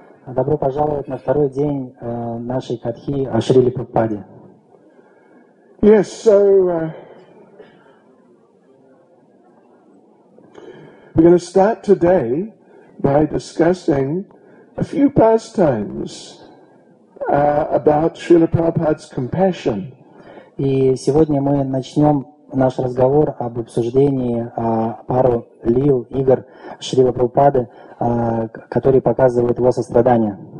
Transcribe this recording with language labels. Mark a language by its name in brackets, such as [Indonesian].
[Russian] Добро пожаловать на второй день нашей катхи о Шриле Прабхупаде. [English] Yes, so we're going to start today by discussing a few pastimes about Srila Prabhupada's compassion. [Russian] И сегодня мы начнем наш разговор об обсуждении пару лил, игр Шрилы Прабхупады, которые показывают его сострадание.